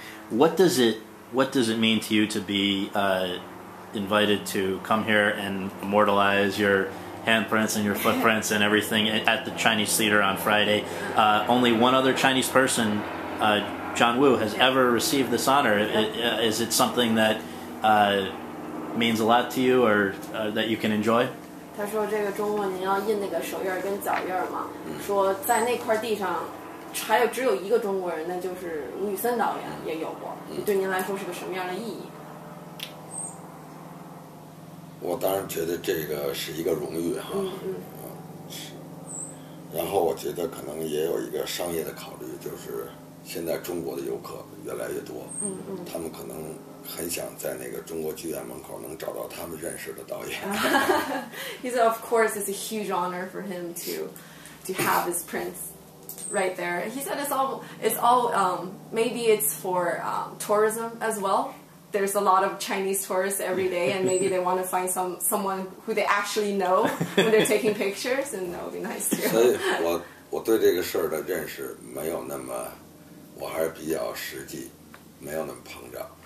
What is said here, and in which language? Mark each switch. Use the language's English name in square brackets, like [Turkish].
[English] what does it mean to you to be invited to come here and immortalize your handprints and your footprints and everything at the Chinese Theater on Friday? Only one other Chinese person. John Woo has ever received this honor. Is it something that means a lot to you or that you can enjoy? [Chinese] 他说这个中文您要印那个手印跟脚印嘛，说在那块地上还有只有一个中国人，那就是吴宇森导演也有过，对您来说是个什么样的意义？我当然觉得这个是一个荣誉哈。嗯嗯，然后我觉得可能也有一个商业的考虑，就是现在中国的游客越来越多，嗯嗯，他们可能很想在那个中国剧院门口能找到他们认识的导演。 [English] He said, "Of course, it's a huge honor for him to have his prints." right there. He said it's all maybe it's for tourism as well. There's a lot of Chinese tourists every day, and maybe they want to find someone who they actually know when they're taking pictures, and that would be nice too. [Chinese] 所以我对这个事儿的认识没有那么，我还是比较实际，没有那么膨胀。